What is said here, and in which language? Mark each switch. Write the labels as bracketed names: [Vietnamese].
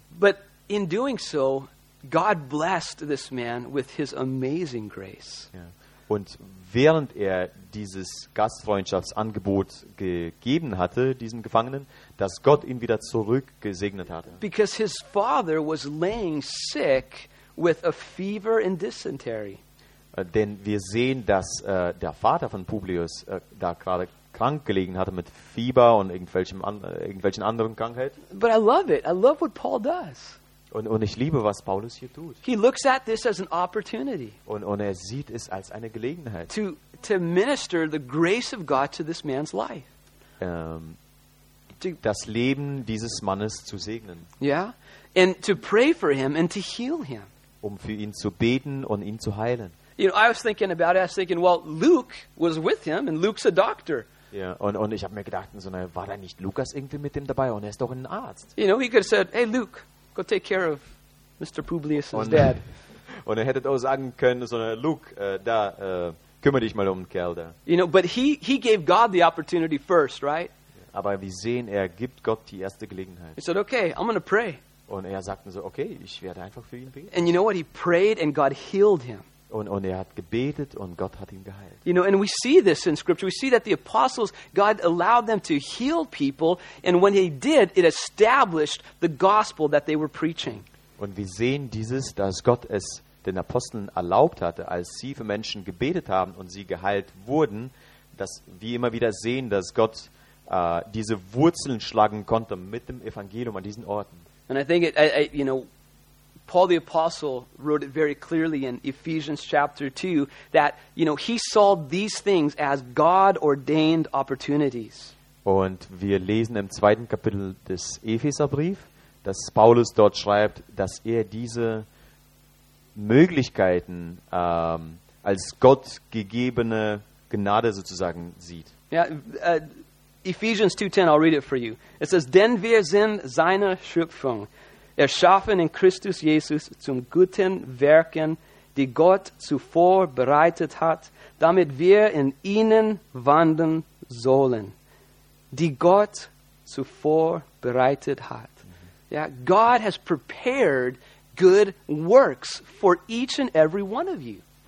[English] But in doing so, God blessed this man with his amazing grace. [German] Ja. Und während er dieses Gastfreundschaftsangebot gegeben hatte, diesen Gefangenen, dass Gott ihn wieder zurückgesegnet hatte. [English] Because his father was laying sick with a fever and dysentery. [German] Denn wir sehen, dass der Vater von Publius da gerade krank gelegen hatte mit Fieber und irgendwelchen anderen Krankheiten. [English] But I love it. I love what Paul does. [German] Und ich liebe, was Paulus hier tut. [English] He looks at this as an opportunity. [German] Und er sieht es als eine Gelegenheit. [English] To minister the grace of God to this man's life. [German] Das Leben dieses Mannes zu segnen. [English] Yeah, and to pray for him and to heal him. [German] Um für ihn zu beten und ihn zu heilen. [English] You know, I was thinking about it. I was thinking, well, Luke was with him, and Luke's a doctor. [German] Ja, und ich habe mir gedacht, so, na, war da nicht Lukas irgendwie mit dem dabei? Und er ist doch ein Arzt. [English] You know, he could have said, hey, Luke, go take care of Mr. Publius' dad. [German] Und er hätte auch sagen können, so, na, Luke, da kümmere dich mal um den Kerl da. [English] You know, but he gave God the opportunity first, right? [German] Aber wir sehen, er gibt Gott die erste Gelegenheit. [English] He said, okay, I'm gonna pray. [German] Und er sagte so, okay, ich werde einfach für ihn beten. [English] And you know what? He prayed and God healed him. [German] Und er hat gebetet und Gott hat ihn geheilt. [English] You know, and we see this in Scripture. We see that the apostles, God allowed them to heal people, and when he did, it established the gospel that they were preaching. [German] Und wir sehen dieses, dass Gott es den Aposteln erlaubt hatte, als sie für Menschen gebetet haben und sie geheilt wurden, dass wir immer wieder sehen, dass Gott diese Wurzeln schlagen konnte mit dem Evangelium an diesen Orten. [English] And I think Paul the Apostle wrote it very clearly in Ephesians chapter 2 that, you know, he saw these things as God-ordained opportunities. [German] Und wir lesen im zweiten Kapitel des Epheserbrief, dass Paulus dort schreibt, dass er diese Möglichkeiten als Gott gegebene Gnade sozusagen sieht. [English] Yeah, Ephesians 2:10, I'll read it for you. It says, [German] denn wir sind seine Schöpfung, erschaffen in Christus Jesus zum guten Werken, die Gott zuvor bereitet hat, damit wir in ihnen wandeln sollen. Die Gott zuvor bereitet hat. [English] Yeah, God has prepared good works for each and every one of you.